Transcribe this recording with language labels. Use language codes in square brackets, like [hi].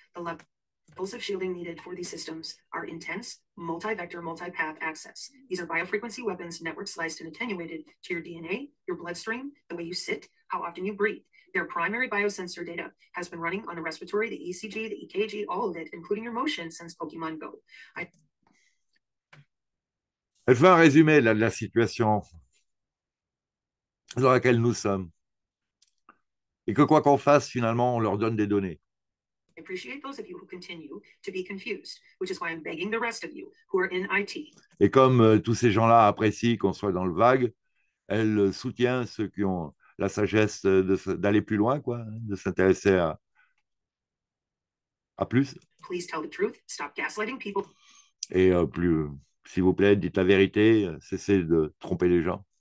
[en] The levels of shielding needed for these systems are intense, multi-vector, multi-path access. These are biofrequency weapons, network sliced and attenuated to your DNA, your bloodstream, the way you sit, how often you breathe. Their primary biosensor data has been running on the respiratory, the ECG, the EKG, all of it, including your motion since Pokemon Go. [fr] Elle fait un résumé là, de la situation dans laquelle nous sommes. Et que quoi qu'on fasse, finalement, on leur donne des données. [en] I appreciate those of you who continue to be confused, which is why I'm begging the rest of you who are in IT. [fr] Et comme tous ces gens-là apprécient qu'on soit dans le vague, elle soutient ceux qui ont la sagesse d'aller plus loin, quoi, de s'intéresser à plus. [en] Please tell the truth. Stop gaslighting people. [fr] Et plus, s'il vous plaît, dites la vérité, cessez de tromper les gens.